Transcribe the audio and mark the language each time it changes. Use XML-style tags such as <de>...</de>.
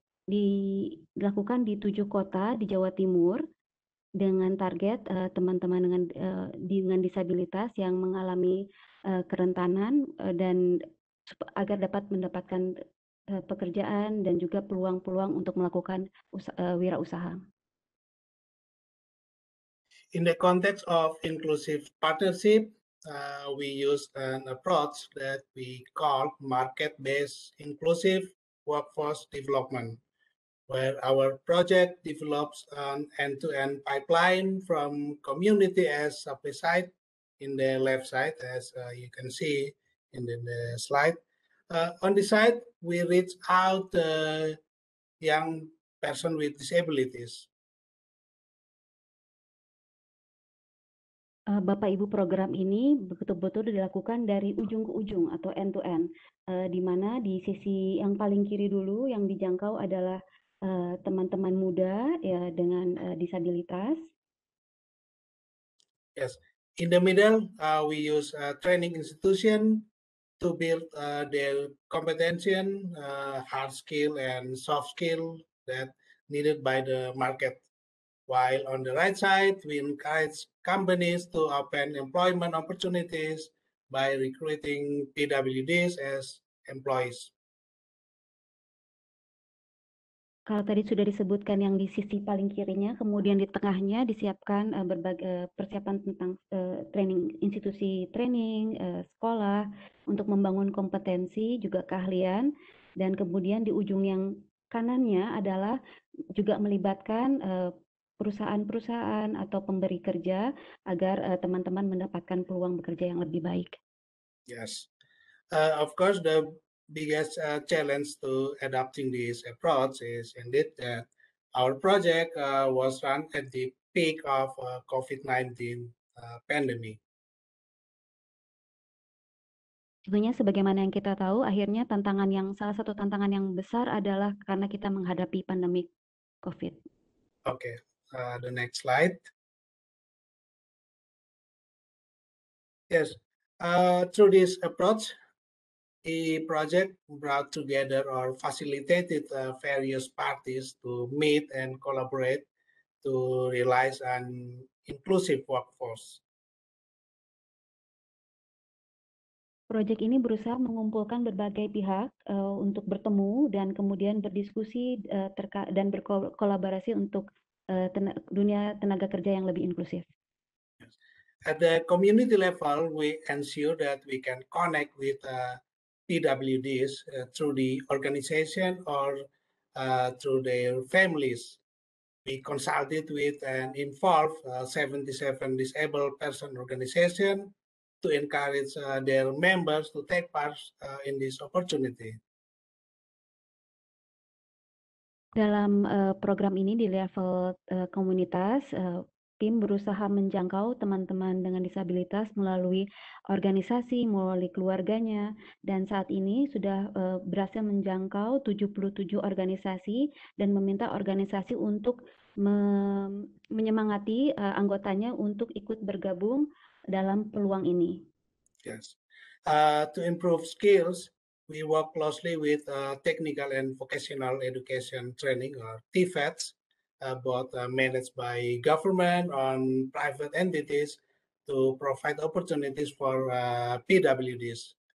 <id>dilakukan di 7 kota di Jawa Timur dengan target teman-teman dengan disabilitas yang mengalami kerentanan dan agar dapat mendapatkan pekerjaan dan juga peluang-peluang untuk melakukan wirausaha.</id> <en>In the context of inclusive partnership, we use an approach that we call market-based inclusive workforce development, where our project develops an end-to-end pipeline from community as a site in the left side, as you can see in the slide. On the side, we reach out to young person with disabilities.</en> <id>Bapak Ibu, program ini betul-betul dilakukan dari ujung ke ujung atau</id> <en>end to end,</en> <id>di mana di sisi yang paling kiri dulu yang dijangkau adalah teman-teman muda ya dengan disabilitas.</id> <en>Yes, in the middle, we use a training institution to build their competency, hard skill and soft skill that needed by the market. While on the right side, we encourage companies to open employment opportunities by recruiting PWDs as employees.</en> <id>Kalau tadi sudah disebutkan yang di sisi paling kirinya, kemudian di tengahnya disiapkan persiapan tentang training, institusi training, sekolah, untuk membangun kompetensi, juga keahlian. Dan kemudian di ujung yang kanannya adalah juga melibatkan perusahaan-perusahaan atau pemberi kerja agar teman-teman mendapatkan peluang bekerja yang lebih baik.</id> <en>Yes, of course the biggest challenge to adopting this approach is indeed that our project was run at the peak of COVID-19 pandemic.</en> <id>Sebenarnya sebagaimana yang kita tahu, akhirnya tantangan yang salah satu tantangan yang besar adalah karena kita menghadapi pandemi COVID.</id> <en>Okay, the next slide. Yes, through this approach, a project brought together or facilitated various parties to meet and collaborate to realize an inclusive workforce.</en> <id>Proyek ini berusaha mengumpulkan berbagai pihak untuk bertemu dan kemudian berdiskusi dan berkolaborasi untuk dunia tenaga kerja yang lebih inklusif.</id> <en>At the community level, we ensure that we can connect with PWDs through the organization or through their families. We consulted with and involved 77 disabled person organization to encourage their members to take part in this opportunity.</en> <id>Dalam program ini di level komunitas, tim berusaha menjangkau teman-teman dengan disabilitas melalui organisasi, melalui keluarganya, dan saat ini sudah berhasil menjangkau 77 organisasi dan meminta organisasi untuk menyemangati anggotanya untuk ikut bergabung dalam peluang ini.</id> <en>Yes, to improve skills, we work closely with technical and vocational education training or TVETs. Both managed by government and private entities to provide opportunities for PWDs.</en>